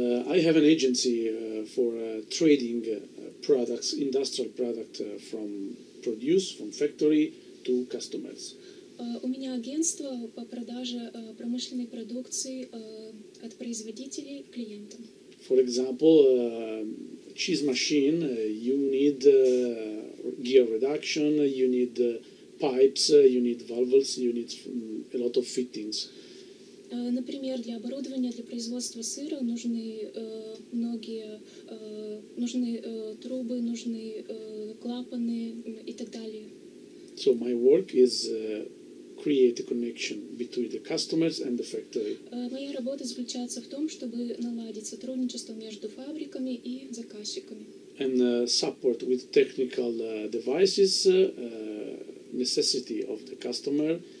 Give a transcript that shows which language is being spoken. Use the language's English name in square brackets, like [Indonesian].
[English] I have an agency for trading products, industrial product from produce, from factory to customers. [Russian] У меня агентство по продаже промышленной продукции от производителей к клиентам. [English] For example, cheese machine, you need gear reduction, you need pipes, you need valves, you need a lot of fittings. [Russian] Например, для оборудования для производства сыра нужны многие нужны трубы, нужны клапаны и так далее. [English] So my work is create a connection between the customers and the factory. [Russian] Моя работа заключается в том, чтобы наладить сотрудничество между фабриками и заказчиками. [English] And support with technical devices necessity of the customer.